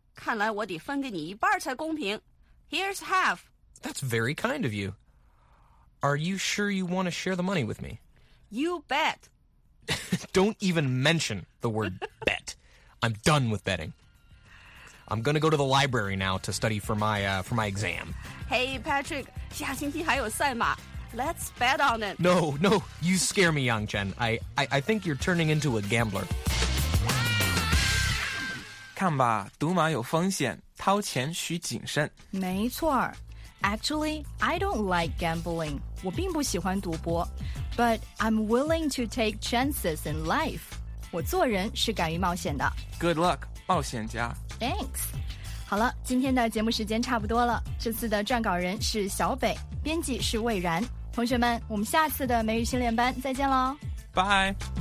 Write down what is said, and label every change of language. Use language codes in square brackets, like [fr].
[zh] 看来我得分给你一半才公平。 [en] Here's half. That's very kind of you. Are you sure you want to share the money with me? You bet. Don't even mention the word bet. I'm done with betting. I'm going to go to the library now to study for my exam. Hey, Patrick, [zh] 下星期还有赛马。 [en] Let's bet on it. No, you scare me, Yang Chen. I think you're turning into a gambler. [zh] 看吧，赌马有风险，掏钱需谨慎。没错。 [en] Actually, I don't like gambling. [zh] 我并不喜欢赌博 [en] But I'm willing to take chances in life. [zh] 我做人是敢于冒险的 [en] Good luck, [zh] 冒险家 [en] Thanks. [zh] 好了，今天的节目时间差不多了。这次的撰稿人是小北，编辑是魏然。同学们，我们下次的美语训练班再见喽。 [en] Bye.